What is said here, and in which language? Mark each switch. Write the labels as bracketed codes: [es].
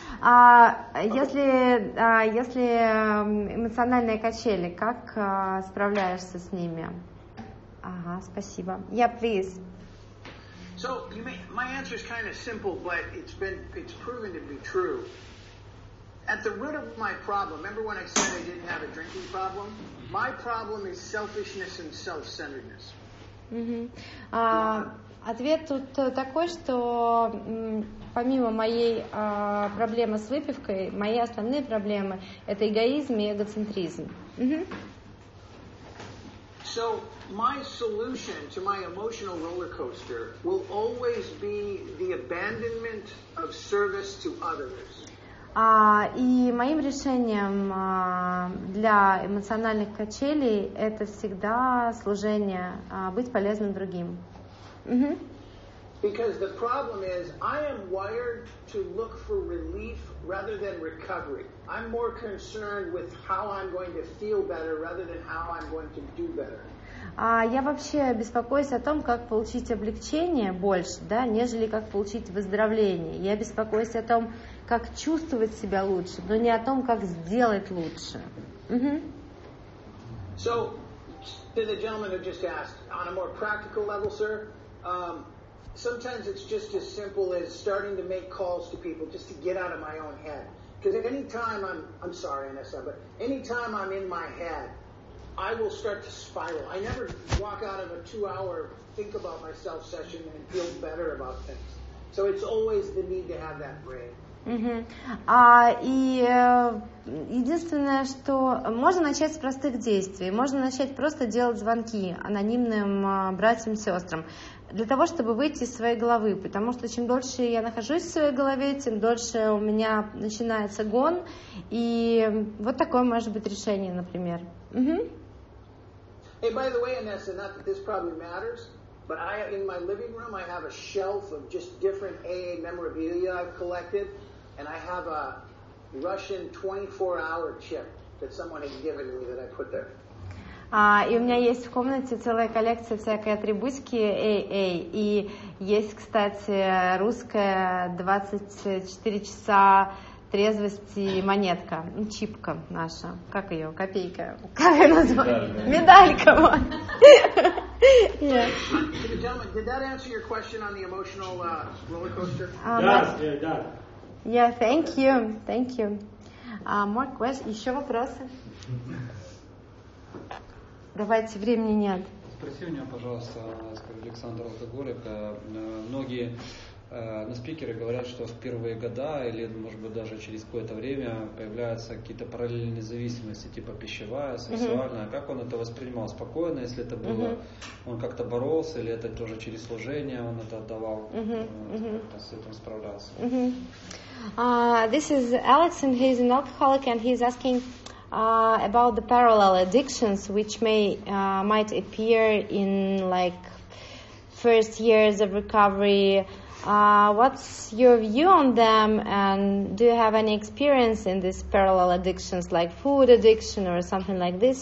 [ru] Если, если эмоциональные качели, как справляешься с ними? Ага, спасибо. [en] Yeah, please. So, my answer is kind of simple, but it's proven to be true. At the root of my problem, remember when I said I didn't have a drinking problem? My problem is selfishness and self-centeredness. [ru] Ответ тут такой, что помимо моей проблемы с выпивкой, мои основные проблемы – это эгоизм и эгоцентризм. [en] So my solution to my emotional roller coaster will always be the abandonment of service to others. [ru] И моим решением для эмоциональных качелей это всегда служение, быть полезным другим. [en] Because the problem is, I am wired to look for relief rather than recovery. I'm more concerned with how I'm going to feel better rather than how I'm going to do better. [ru] Я вообще беспокоюсь о том, как получить облегчение больше, да, нежели как получить выздоровление. Я беспокоюсь о том, как чувствовать себя лучше, но не о том, как сделать лучше. [en] So, to the gentleman who just asked, on a more practical level, sir, sometimes it's just as simple as starting to make calls to people just to get out of my own head. Because at any time I'm sorry, Anessa, but any time I'm in my head, I will start to spiral. I never walk out of a 2-hour think about myself session and feel better about things. So it's always the need to have that break. [ru] Единственное, что можно начать с простых действий, можно начать просто делать звонки анонимным братьям, сестрам для того, чтобы выйти из своей головы, потому что чем дольше я нахожусь в своей голове, тем дольше у меня начинается гон, и вот такое может быть решение, например. [en] Hey, by the way, Anessa, not that this probably matters, but I, in my living room, I have a shelf of just different AA memorabilia I've collected. And I have a Russian 24-hour chip that someone had given me that I put there. [ru] И у меня есть в комнате целая коллекция всякой атрибутики AA. И есть, кстати, русская 24 часа трезвости монетка. Чипка наша. Как ее? Копейка. Как ее назвать? Медалька. [en] Did that answer your question on the emotional rollercoaster? Yes, it does. Yeah, thank you, thank you. More questions? [ru] Еще вопросы? Давайте, времени нет. Спроси у меня, пожалуйста, Александр, алкоголик. Многие на спикеры говорят, что в первые года или, может быть, даже через какое-то время появляются какие-то параллельные зависимости, типа пищевая, сексуальная. Как он это воспринимал? Спокойно, если это было? Он как-то боролся или это тоже через служение он это отдавал? С этим справлялся? [en] This is Alex, and he's an alcoholic, and he's asking about the parallel addictions, which might appear in like first years of recovery. What's your view on them, and do you have any experience in these parallel addictions, like food addiction or something like this?